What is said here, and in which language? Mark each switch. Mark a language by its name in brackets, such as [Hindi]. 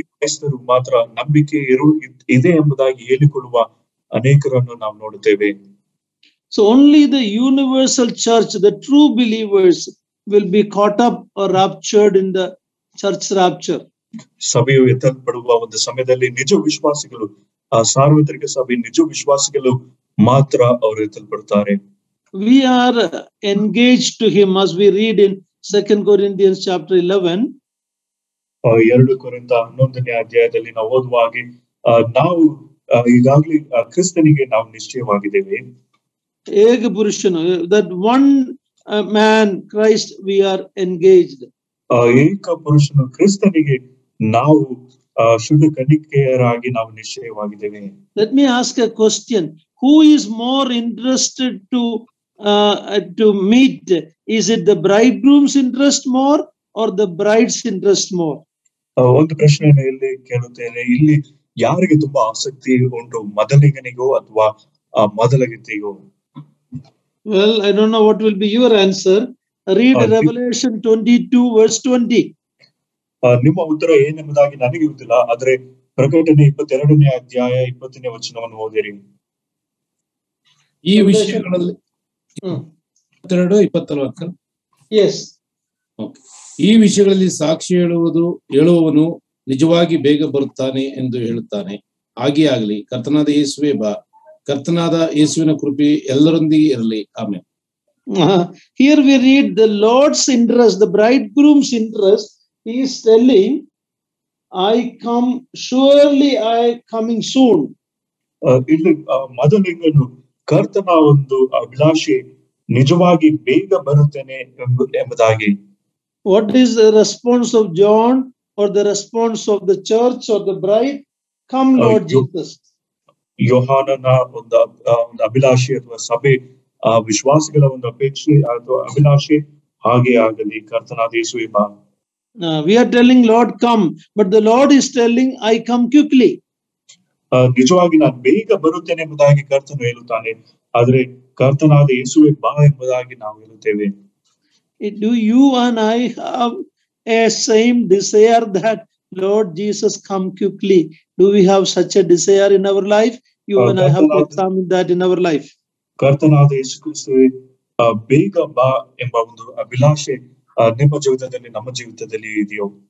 [Kannada] ಕ್ರೈಸ್ತರು ಮಾತ್ರ ನಂಬಿಕೆ ಇದೆ ಎಂಬುದಾಗಿ ಹೇಳಿಕೊಳ್ಳುವ ಅನೇಕರನ್ನು ನಾವು ನೋಡುತ್ತೇವೆ. [English] So only the universal church, the true believers will be caught up or raptured in the church rapture. [Kannada] ಸಭೆಯು ಎತ್ತಲ್ಪಡುವ ಒಂದು ಸಮಯದಲ್ಲಿ ನಿಜ ವಿಶ್ವಾಸಿಗಳು, ಆ ಸಾರ್ವತ್ರಿಕ ಸಭೆ ನಿಜ ವಿಶ್ವಾಸಿಗಳು ಮಾತ್ರ ಅವರು ಎತ್ತಲ್ಪಡುತ್ತಾರೆ. [English] We are engaged to him as we read in 2 Corinthians chapter 11. [Kannada] ಎರಡು ಕೊರಿಂಥ 11ನೇ ಅಧ್ಯಾಯದಲ್ಲಿ ನಾವು ಓದುವಾಗಿ ನಾವು ಈಗಾಗಲೇ ಕ್ರಿಸ್ತನಿಗೆ ನಾವು ನಿಶ್ಚಯವಾಗಿದ್ದೇವೆ. ಏಕ ಪುರುಷನು, [English] that one man Christ we are engaged. [Kannada] ಏಕ ಪುರುಷನು ಕ್ರಿಸ್ತನಿಗೆ ನಾವು ಶುದ್ಧ ಕನ್ನಿಕೆಯರಾಗಿ ನಾವು ನಿಶ್ಚಯವಾಗಿದ್ದೇವೆ. [English] Let me ask a question. Who is more interested to meet? Is it the bridegroom's interest more or the bride's interest more? [Kannada] ಒಂದು ಪ್ರಶ್ನೆಯನ್ನು ಇಲ್ಲಿ ಕೇಳುತ್ತೇನೆ, ಇಲ್ಲಿ ಯಾರಿಗೆ ತುಂಬಾ ಆಸಕ್ತಿ ಉಂಟು, ಮೊದಲಿಗನಿಗೋ ಅಥವಾ ಮೊದಲಗಿತ್ತಿಗೋ? [English] Well, I don't know what will be your answer. Read Revelation 22 verse 20. [Kannada] ನಿಮ್ಮ ಉತ್ತರ ಏನೆಂಬುದಾಗಿ ನನಗೆ ಗೊತ್ತಿಲ್ಲ, ಆದರೆ ಪ್ರಕಟಣೆ 22ನೇ ಅಧ್ಯಾಯ 20ನೇ ವಚನವನ್ನು ಓದಿರಿ. ಈ ವಿಷಯಗಳಲ್ಲಿ 22-24. [English] Yes. [Kannada] ಈ ವಿಷಯಗಳಲ್ಲಿ ಸಾಕ್ಷಿ ಹೇಳುವವನು ನಿಜವಾಗಿ ಬೇಗ ಬರುತ್ತಾನೆ ಎಂದು ಹೇಳುತ್ತಾನೆ. ಹಾಗೆ ಆಗಲಿ, ಕರ್ತನಾದ ಯೇಸುವೇ ಬಾ. ಕರ್ತನಾದ ಯೇಸುವಿನ ಕೃಪೆ ಎಲ್ಲರೊಂದಿಗೆ ಇರಲಿ. ಆಮೇನ್. [English] Here we read the Lord's interest, the bridegroom's interest. He is telling, I come, surely I coming soon. [Kannada] ಇಲ್ಲಿ ಮೊದಲಿಂಗನು ಕರ್ತನ ಒಂದು ಅಭಿಲಾಷೆ, ನಿಜವಾಗಿ ಬೇಗ ಬರುತ್ತೇನೆ ಎಂಬುದಾಗಿ. [English] What is the response of John or the response of the church or the bride? Come Lord Jesus. [Kannada] ಯೋಹಾನನ ಒಂದು ಅಭಿಲಾಷೆ ಅಥವಾ ಸಭೆ ವಿಶ್ವಾಸಿಗಳ ಒಂದು ಅಪೇಕ್ಷೆ ಅಥವಾ ಅಭಿಲಾಷೆ, ಹಾಗೆ ಆಗಲಿ ಕರ್ತನಾದ ಯೇಸುವೇ ಬಾ. [English] we are telling Lord come, but the Lord is telling I come quickly. [Kannada] ನಿಜವಾಗಿ ನಾನು ಬೇಗ ಬರುತ್ತೇನೆ ಎಂಬುದಾಗಿ ಕರ್ತನು ಹೇಳುತ್ತಾನೆ, ಆದರೆ ಕರ್ತನಾದ ಯೇಸುವೇ ಬಾ ಎಂಬುದಾಗಿ ನಾವು ಹೇಳುತ್ತೇವೆ. [English] Do you and I have a same desire that Lord Jesus come quickly? Do we have such a desire in our life? You and I have examined that in our life. [Kannada] ಕರ್ತನಾದ ಯೇಸು ಕ್ರಿಸ್ತುವೇ ಬೇಗ ಬಾ ಎಂಬ ಒಂದು ಅಭಿಲಾಷೆ ನಿಮ್ಮ ಜೀವಿತದಲ್ಲಿ ನಮ್ಮ ಜೀವಿತದಲ್ಲಿ ಇದೆಯೋ?